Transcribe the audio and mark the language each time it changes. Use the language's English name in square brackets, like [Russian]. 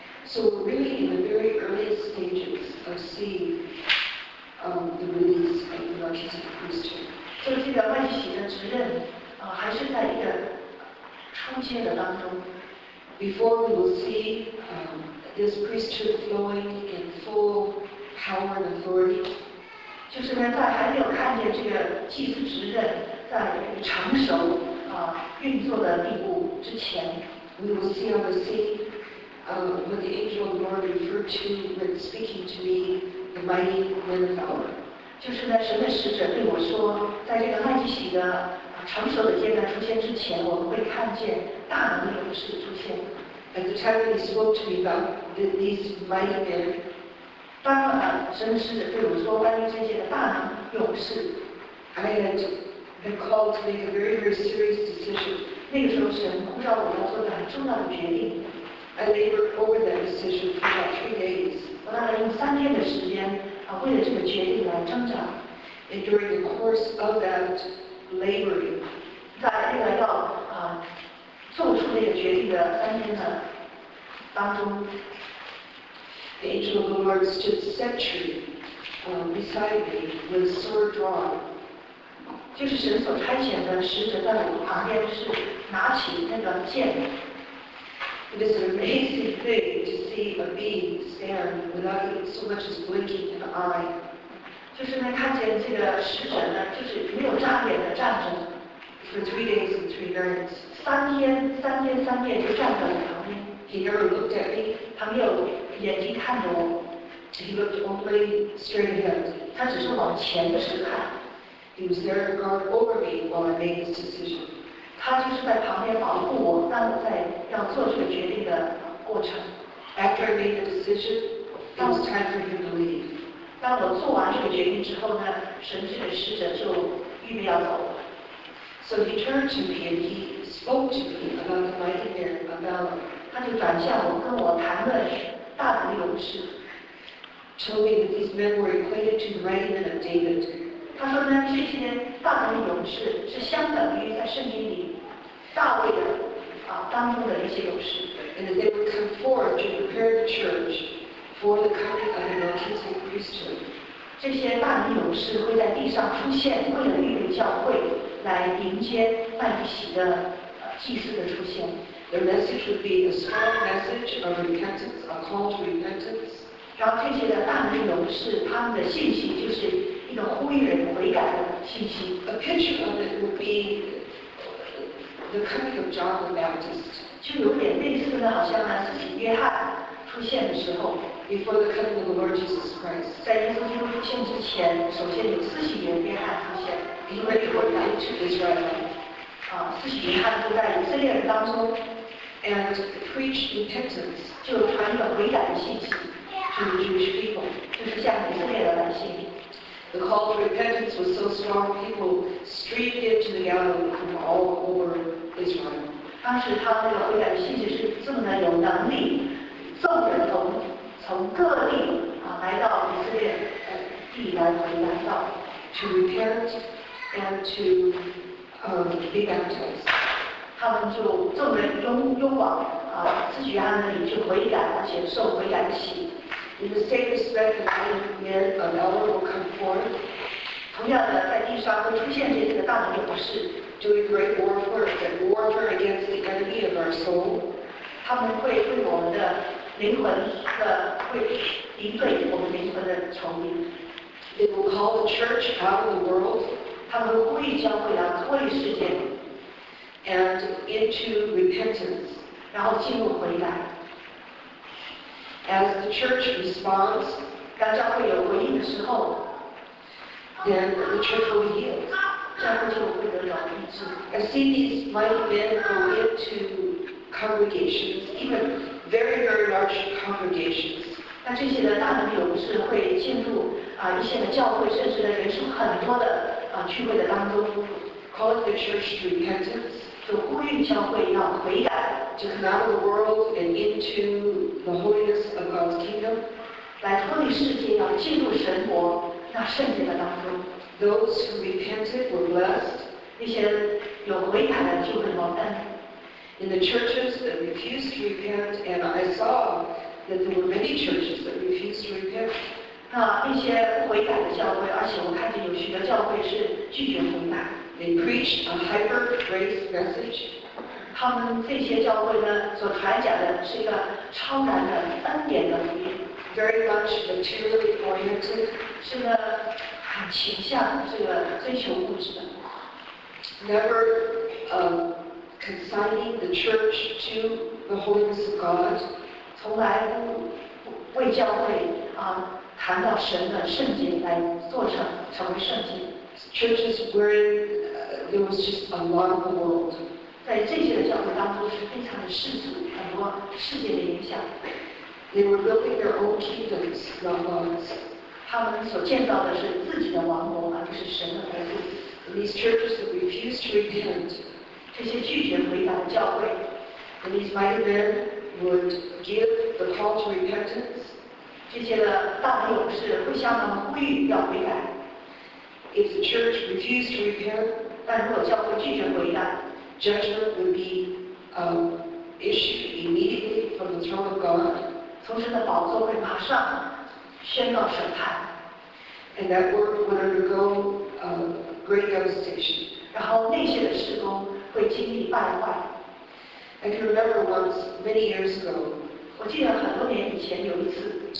[English] So really, in the very earliest stages of seeing the release of the Melchizedek priesthood. [Chinese] 就这个万禧的职任，还是在一个初阶的当中。 [English] Before we will see this priesthood flowing in full power and authority. [Chinese] 就是呢，在还没有看见这个祭司职任在成熟运作的地步之前 [English] ，we will see on the scene. When the angel of the Lord referred to when speaking to me, the mighty man of power. [Chinese] 就是呢，神的使者对我说，在这个麦基洗德成熟的阶段出现之前，我们会看见大能的勇士出现。 [English] At the time he spoke to me about these mighty men. [Chinese] 当神的使者对我说关于这些大能勇士 [English] ，I had been called to make a very very serious decision. [Chinese] 那个时候神呼召我要做一个很重要的决定。 [English] I labored over that decision for about 3 days. [Chinese] 我大概用三天的时间啊，为了这个决定来挣扎。 [English] And during the course of that laboring, [Chinese] 在那个要做出那个决定的三天的当中 [English] ，the angel of the Lord stood sentry beside me with sword drawn. [Chinese] 就是神所差遣的使者在我旁边，是拿起那个剑。 [English] It is an amazing thing to see a being stand without so much as blinking an eye. [Chinese] 就就是呢，看见这个使者呢，就是没有障眼的站着。 [English] For 3 days and 3 nights. [Chinese] 三天三夜就站在我旁边。 [English] He never looked at me. [Chinese] 他没有眼睛看着我。 [English] He looked only straight ahead. [Chinese] 他只是往前的时候看。 [English] He was there to guard over me while I made his decision. [Chinese] 他就是在旁边保护我，当我在要做出决定的过程。 [English] After I made the decision, it was time for him to leave. [Chinese] 当我做完这个决定之后呢，神这个使者就预备要走了。 [English] So he turned to me and he spoke to me about the mighty man of valor. [Chinese] 他就转向我，跟我谈了大的勇士。 [English] Told me that these men were equated to the mighty men of David. [Chinese] 他说呢，这些大的勇士是相等于在圣经里大卫的啊当中的一些勇士。 [English] And that they would come forward to prepare the church for the coming of the Melchizedek priesthood. [Chinese] 这些大的勇士会在地上出现，为了预备教会。来迎接麦基洗德祭司的出现。 [English] The message would be a strong message of repentance, a call to repentance. [Chinese] 然后这些的大能勇士，他们的信息就是一个呼吁人悔改的信息。 [English] A picture of it would be the coming of John the Baptist. [Chinese] 就有点类似的，好像呢是洗约翰出现的时候。 [English] Before the coming of the Lord Jesus Christ. [Chinese] 在耶稣基督出现之前，首先有施洗约翰出现。 [English] He went to Israel. [Chinese] 啊，施洗约翰住在以色列人当中 [English] ，and preached repentance. [Chinese] 就传一个悔改的信息 [English] to the Jewish people. [Chinese] 就是向以色列的百姓。 [English] The call for repentance was so strong, people streamed into the Galilee from all over Israel. [Chinese] 当时他那个悔改的信息是这么的有能力，众人从各地啊来到以色列地来回来到 [English] to repent. And to be baptized. [Chinese] 他们就众人拥往啊，施洗约翰那里去悔改，而且受悔改的洗。 [English] In the same respect, the mighty men of valor will come forward. [Chinese] 同样的，在地上会出现这些大能勇士 [English] doing great warfare, and warfare against the enemy of our soul. [Chinese] 他们会为我们的灵魂的会敌对我们灵魂的仇敌。 [English] They will call the church out of the world. [Chinese] 他们呼吁教会要脱离世界 [English] ，and into repentance， [Chinese] 然后进入悔改。 [English] As the church responds， [Chinese] 当教会有回应的时候 [English] ，then the church will be healed， [Chinese] 教会就会得到医治。 [English] I see these mighty men go into congregations， even very very large congregations。 [Chinese] 那这些的大能勇士会进入啊一些的教会，甚至呢人数很多的。聚会的当中 [English] ，call the church to repentance， [Chinese] 就呼吁教会要悔改 [English] ，to come out of the world and into the holiness of God's kingdom， [Chinese] 来脱离世界，要进入神国，那圣洁的当中。 [English] Those who repented were blessed， [Chinese] 那些有悔改的就很蒙恩。 [English] In the churches that refused to repent， and I saw that there were many churches that refused to repent。 [Chinese] 那一些悔改的教会，而且我看见有许多教会是拒绝悔改。 [English] They preach a hyper grace message。 [Chinese] 他们这些教会呢，所传讲的是一个超然的恩典的福音。 [English] Very much materially oriented， [Chinese] 是个很倾向这个追求物质的。 [English] Never consigning the church to the holiness of God， [Chinese] 从来不为教会啊。谈到神的圣洁来做成成为圣洁。 [English] Churches where there was just a lot of the world， [Chinese] 在这些的教会当中是非常的世俗，很多世界的影响。 [English] They were building their own kingdoms, not God's。 [Chinese] 他们所建造的是自己的王国，而不是神的国度。 [English] These churches that refused to repent， [Chinese] 这些拒绝悔改的教会。 [English] And these mighty men would give the call to repentance。 [Chinese] 这些的大能勇士会向他们呼吁要悔改。 [English] If the church refused to repent， [Chinese] 但如果教会拒绝悔改 [English] ，judgment would be issued immediately from the throne of God， [Chinese] 从神的宝座会马上宣告审判。 [English] And that work would undergo great devastation。 [Chinese] 然后那些的事工会经历败坏。 [English] I can remember once many years ago。 [Chinese] 我记得很多年以前有一次